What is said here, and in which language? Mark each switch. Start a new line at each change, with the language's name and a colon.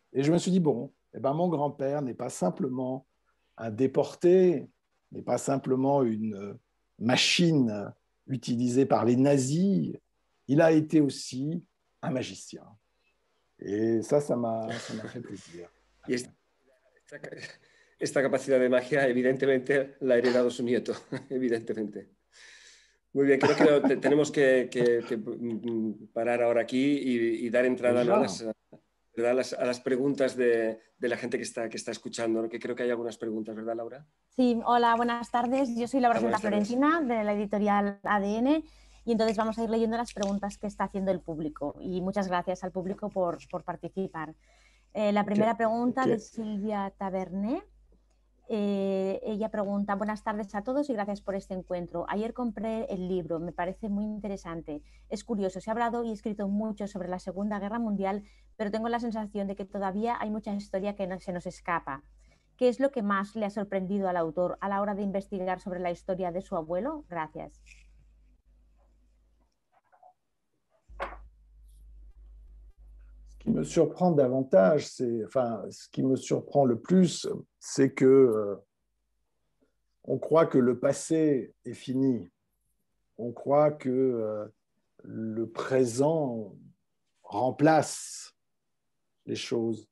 French: Et je me suis dit, bon, eh ben, mon grand-père n'est pas simplement un déporté, n'est pas simplement une machine utilisée par les nazis, il a été aussi un magicien. Et ça, ça m'a fait plaisir. Et cette capacité de magie, évidemment,
Spanish: l'a heredado son nieto,
French: évidemment.
Spanish: Muy bien, creo que tenemos que parar ahora aquí y dar entrada a las preguntas de la gente que está escuchando, ¿no? Que creo que hay algunas preguntas, ¿verdad, Laura? Sí, hola, buenas tardes. Yo soy Laura Santa Florentina, de la editorial ADN, y entonces vamos a ir leyendo las preguntas que está haciendo el público. Y muchas gracias al público por participar. La primera pregunta de Silvia Taberné. Ella pregunta, buenas tardes a todos y gracias por este encuentro. Ayer compré el libro, me parece muy interesante. Es curioso, se ha hablado y escrito mucho sobre la Segunda Guerra Mundial, pero tengo la sensación de que todavía hay mucha historia que se nos escapa. ¿Qué es lo que más le ha sorprendido al autor a la hora de investigar sobre la historia de su abuelo? Gracias.
French: Ce qui me surprend davantage, ce qui me surprend le plus, c'est que on croit que le passé est fini. On croit que le présent remplace les choses.